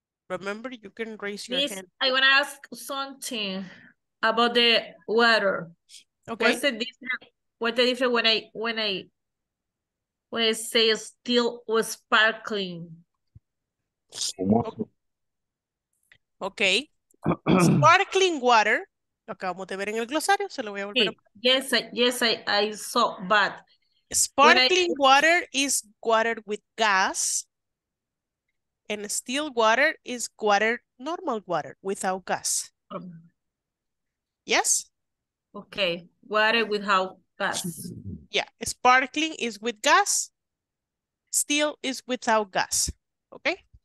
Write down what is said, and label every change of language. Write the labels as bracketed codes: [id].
[en] Remember, you can raise your hand. I want to ask something about the water. Okay. What's the difference? What's the difference when I say still was sparkling? [es] Okay, sparkling water, lo acabamos de ver en el glosario, se lo voy a volver [en] I saw, but... Sparkling water is water with gas, and still water is water, normal water, without gas. Yes? Okay. Water without gas. Yeah. Sparkling is with gas. Still is without gas. Okay?